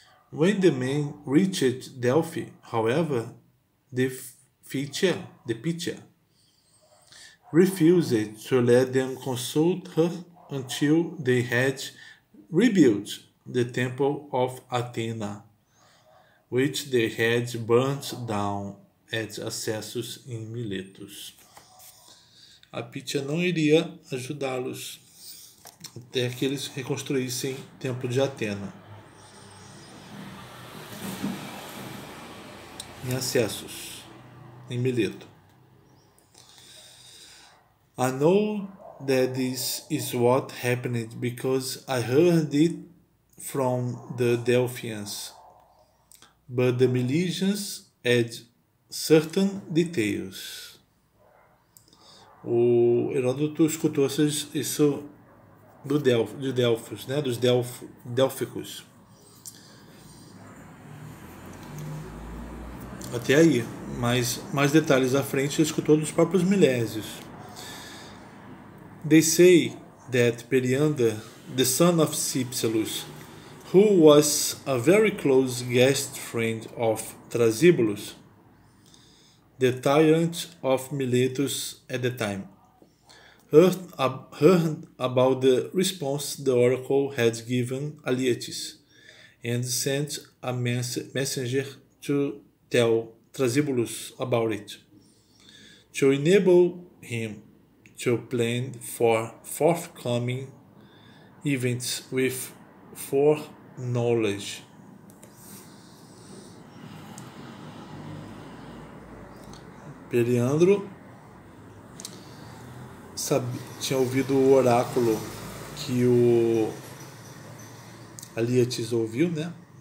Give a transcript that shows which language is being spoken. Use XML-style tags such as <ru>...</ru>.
<en>When the man reached Delphi, however, the pitcher refused to let them consult her until they had rebuilt the temple of Athena, which they had burnt down at Acessus in Miletus.</en> <pt>A Pitia não iria ajudá-los até que eles reconstruíssem o templo de Atena. Em Acessus, em Mileto.</pt> <en>I know that this is what happened because I heard it from the Delphians, but the Milesians had certain details.</en> <pt>O Heródoto escutou isso do Delfos, né? Dos Délficos. Até aí, mas mais detalhes à frente, escutou dos próprios Milésios.</pt> <en>They say that Periander, the son of Cypselus, who was a very close guest friend of Thrasybulus, the tyrant of Miletus at the time, heard about the response the oracle had given Aletes, and sent a messenger to tell Thrasybulus about it, to enable him to plan for forthcoming events with foreknowledge.</en> <pt>Periandro tinha ouvido o oráculo que o Aletes ouviu, né?</pt>